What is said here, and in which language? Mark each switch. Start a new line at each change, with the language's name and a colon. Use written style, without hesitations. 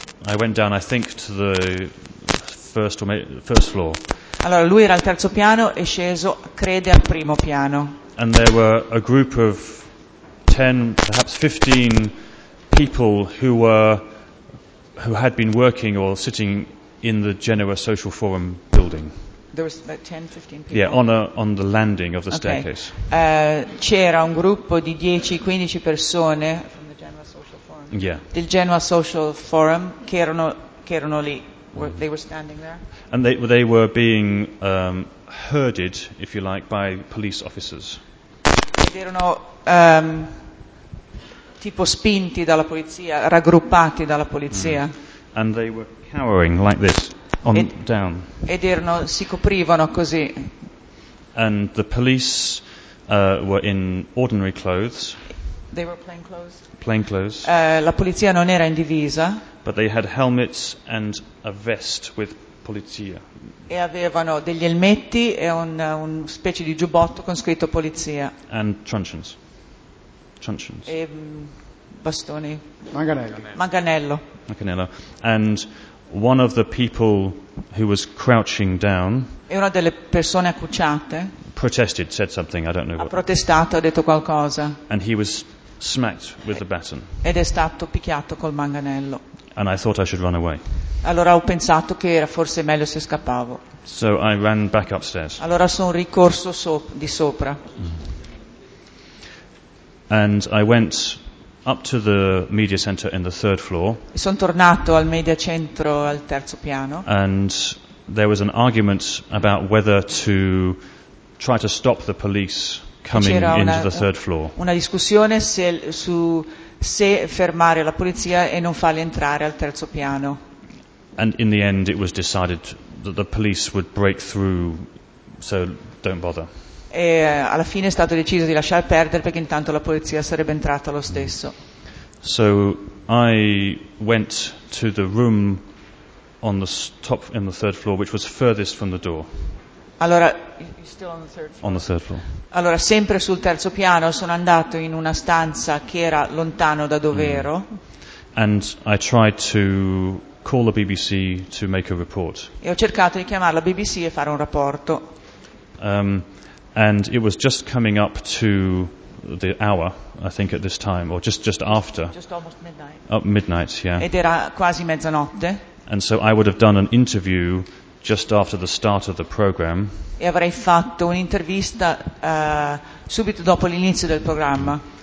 English: I went down. I think to the first floor.
Italian: Allora lui era al terzo piano e sceso, crede al primo piano.
English: And there were a group of 10, perhaps 15 people who had been working or sitting in the Genoa Social Forum building. There was about 10, 15 people? Yeah, on the landing of the staircase.
Italian: C'era un gruppo di 10-15 persone
English: from the Genoa Social Forum. Yeah.
Italian: Del Genoa Social Forum che erano lì.
English: They were standing there. And they were being herded, if you like, by police officers.
Italian: Ed erano tipo spinti dalla polizia, raggruppati dalla polizia.
English: And they were cowering like this on down.
Italian: Ed erano, si coprivano così.
English: And the police were in ordinary clothes. They were plain clothes. Plain clothes.
Italian: La polizia non era in divisa.
English: But they had helmets and a vest with polizia.
Italian: E avevano degli elmetti e un specie di giubbotto con scritto polizia.
English: And truncheons.
Italian: E bastoni. Manganello. Manganello.
English: And one of the people who was crouching down.
Italian: E una delle persone accucciate.
English: Protested, said something. I don't know.
Italian: Ha protestato, ha detto qualcosa.
English: And he was smacked with the baton.
Italian: Ed è stato picchiato col manganello.
English: And I thought I should run away.
Italian: Allora ho pensato che era forse meglio se scappavo.
English: So I ran back upstairs.
Italian: Allora sono ricorso di sopra.
English: And I went up to the media center in the third floor.
Italian: Sono tornato al media centro al terzo piano.
English: And there was an argument about whether to try to stop the police coming into the third floor.
Italian: Una discussione se fermare la polizia e non farli entrare al terzo piano.
English: And in the end it was decided that the police would break through, so don't bother.
Italian: E alla fine è stato deciso di lasciar perdere perché intanto la polizia sarebbe entrata lo stesso.
English: So I went to the room on the top in the third floor which was furthest from the door.
Italian: Allora,
English: you're still on the third floor. On the third floor.
Italian: Allora, sempre sul terzo piano, sono andato in una stanza che era lontano da dove ero.
English: And I tried to call the BBC to make a report.
Italian: E ho cercato di chiamare la BBC e fare un rapporto.
English: And it was just coming up to the hour, I think, at this time, or just after. Just almost midnight. Up midnight, yeah.
Italian: Ed era quasi mezzanotte.
English: And so I would have done an interview just after the start of the program.
Italian: E avrei fatto un'intervista subito dopo l'inizio del programma.